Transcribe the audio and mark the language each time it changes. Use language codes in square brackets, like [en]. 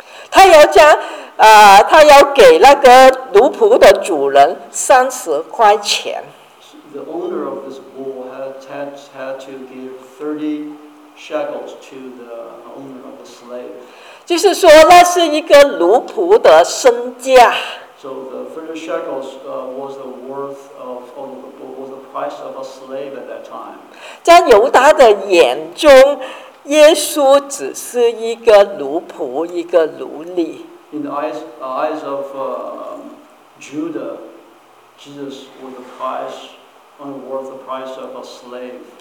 [zh] 他要将他要给那个奴仆的主人30块钱。 [en] The owner of this bull had to give 30 shekels to the owner of the slave. [zh] 就是说，那是一个奴仆的身价。 [en] So the 30 shekels was the worth of the bull, was the price of a slave at that time. [zh] 在犹大的眼中，耶稣只是一个奴仆，一个奴隶。 [en] In the eyes of Judah, Jesus was the price, only worth the price of a slave.